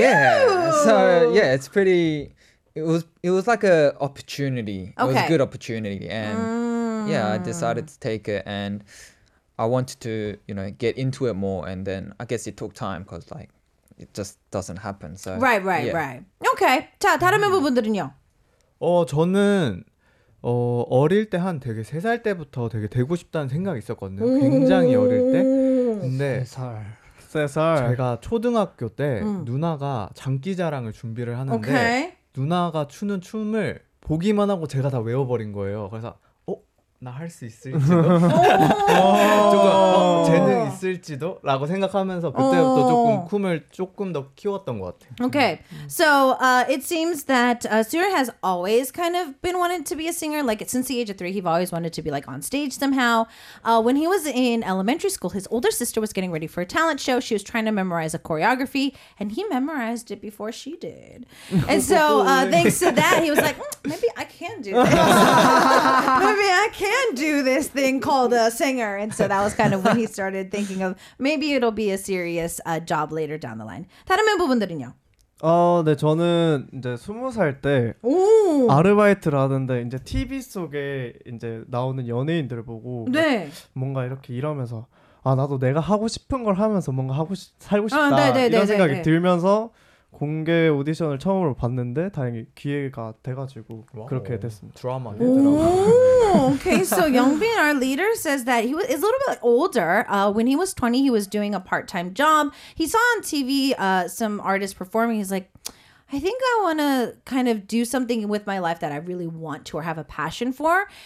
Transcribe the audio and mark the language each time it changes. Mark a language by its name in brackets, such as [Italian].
[English] Yeah, so yeah, it's pretty... It was like an opportunity. Okay. It was a good opportunity. And yeah, I decided to take it and I wanted to, you know, get into it more. And then I guess it took time because like, It just doesn't happen. So. Right, right, yeah. right. Okay. [Korean] 자, 다른 멤버분들은요? 저는 어릴 때 한 되게 3살 때부터 되게 되고 싶다는 생각이 있었거든요. 굉장히 어릴 때. 근데 3살. 제가 초등학교 때 누나가 장기자랑을 준비를 하는데 [English] okay. [Korean] 누나가 추는 춤을 보기만 하고 제가 다 외워버린 거예요. 그래서 나 할 수 있을지도 조금 재능 있을지도 라고 생각하면서 그때부터 조금 꿈을 조금 더 키웠던 것 같아요. [English] Okay, so it seems that Sura has always kind of been wanted to be a singer. Like since the age of 3, he've always wanted to be like on stage somehow. When he was in elementary school, his older sister was getting ready for a talent show. She was trying to memorize a choreography, and he memorized it before she did. And so thanks to that, he was like, maybe I can do this. maybe I can do this thing called a singer. And so that was kind of when he started thinking of maybe it'll be a serious job later down the line. [Korean] 다른 멤버분들은요? 네, 저는 이제 20살 때 아르바이트를 하는데 이제 TV 속에 이제 나오는 연예인들을 보고 네. 뭔가 이렇게 일하면서 아 나도 내가 하고 싶은 걸 하면서 뭔가 하고 살고 싶다 이런 생각이 들면서 공개 오디션을 처음으로 봤는데 다행히 기회가 돼가지고 와우. 그렇게 됐습니다. 드라마. 오, 오케이. [English] So Youngbin, our leader, says that he is a little bit older. When he was 20, he was doing a part-time job. He saw on TV some artists performing. He's like, I think I want to kind of do something with my life that I really want to or have a passion for.